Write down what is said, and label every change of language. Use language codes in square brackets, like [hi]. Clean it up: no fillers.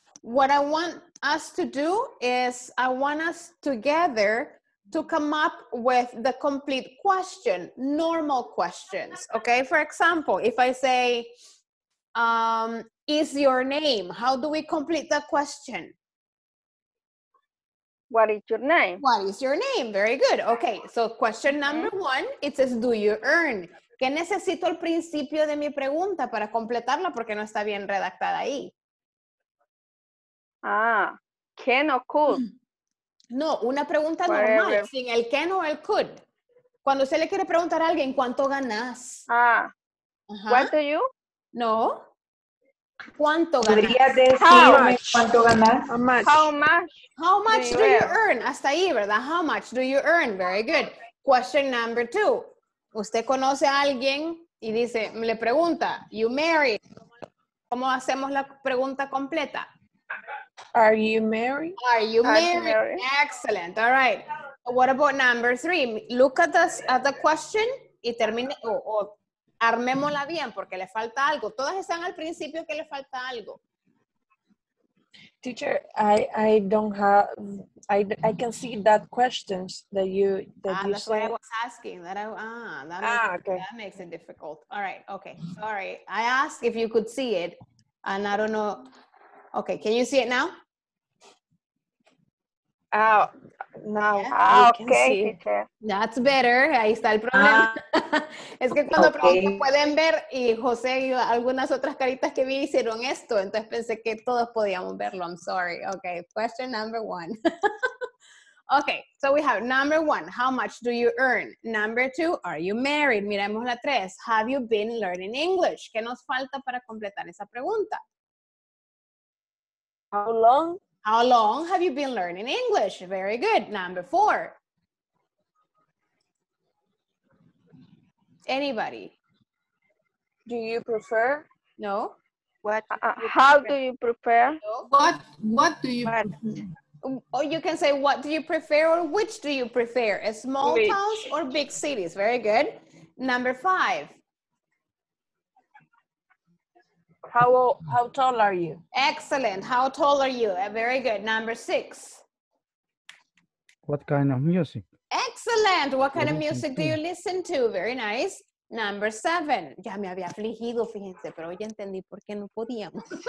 [en] What I want us to do is I want us together to come up with the complete question, normal questions. Okay, for example, if I say, is your name? How do we complete that question? What is your name? What is your name? Very good. Okay, so question number one, it says, do you earn? [es] ¿Qué necesito al principio de mi pregunta para completarla porque no está bien redactada ahí? [en] Ah, can o could. [es] No, una pregunta normal, whatever. Sin el can o el could. Cuando usted le quiere preguntar a alguien, ¿cuánto ganas? [en] Ah, uh-huh. What do you? [es] No. ¿Cuánto ganas? ¿Podría decirme cuánto ganas? [en] How much? How much? How much do you earn? [es] Hasta ahí, ¿verdad? [en] How much do you earn? Very good. Question number two. [es] Usted conoce a alguien y dice, le pregunta, [en] you married. [es] ¿Cómo hacemos la pregunta completa? [en] Are you married? Are you married? Excellent. All right. What about number three? Look at the question [es] y termine, o armémosla bien porque le falta algo. Todas están al principio que le falta algo. [en] Teacher, I don't have, I can see that questions that you, that ah, you that's said. That's what I was asking. That makes it difficult. All right, okay, sorry. I asked if you could see it, and I don't know. Okay, can you see it now? Okay. That's better. [es] Ahí está el problema. Es que cuando pregunto pueden ver y José y algunas otras caritas que vi hicieron esto, entonces pensé que todos podíamos verlo. [en] I'm sorry. Okay, question number one. Okay, so we have number one, how much do you earn? Number two, are you married? [es] Miremos la tres, [en] have you been learning English? ¿Qué nos falta para completar esa pregunta? How long have you been learning English? Very good. Number four. Anybody? Do you prefer? No. What? How do you prefer? No. What do you prefer? Or you can say, what do you prefer or which do you prefer? A small which? Towns or big cities? Very good. Number five. How tall are you? Excellent. How tall are you? Very good. Number six. What kind of music? Excellent. What kind of music do you listen to? Very nice. Number seven. [es] Ya me había afligido, fíjense, pero hoy entendí por qué no podíamos.